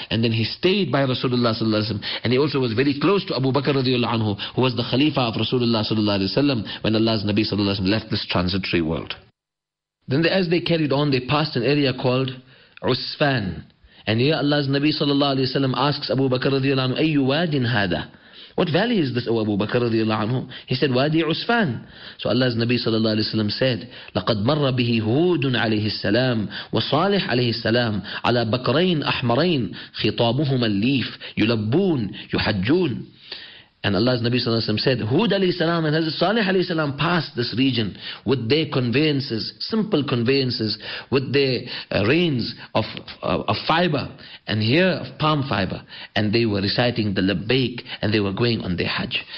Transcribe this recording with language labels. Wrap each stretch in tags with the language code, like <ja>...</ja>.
<en>And then he stayed by Rasulullah sallallahu alaihi wasallam. And he also was very close to Abu Bakr radiallahu anhu, who was the Khalifa of Rasulullah sallallahu alaihi wasallam when Allah's Nabi sallallahu alaihi wasallam left this transitory world. Then as they carried on, they passed an area called Usfan. And here Allah's Nabi sallallahu alayhi wa sallam asks Abu Bakr radiallahu anhu,</en> <ar>Ayyu wadin hada?</ar> <en>What valley is this, O Abu Bakr radiallahu anhu? He said, Wadi Usfan. So Allah's Nabi sallallahu alayhi wa sallam said,</en> <ar>لَقَدْ مَرَّ بِهِ هُودٌ عَلَيْهِ السَّلَامِ وَصَالِحْ عَلَيْهِ السَّلَامِ عَلَى بَكْرَيْنْ أَحْمَرَيْنِ خِطَابُهُمَ الْلِيفِ يُلَبُّونَ يُحَجُّونَ.</ar> <en>And Allah's Nabi sallallahu alayhi wa sallam said, Hud alayhi salam and Hazrat Salih alayhi salam passed this region with their conveyances, simple conveyances, with their reins of fiber, and here of palm fiber. And they were reciting the labbaik and they were going on their hajj.</en>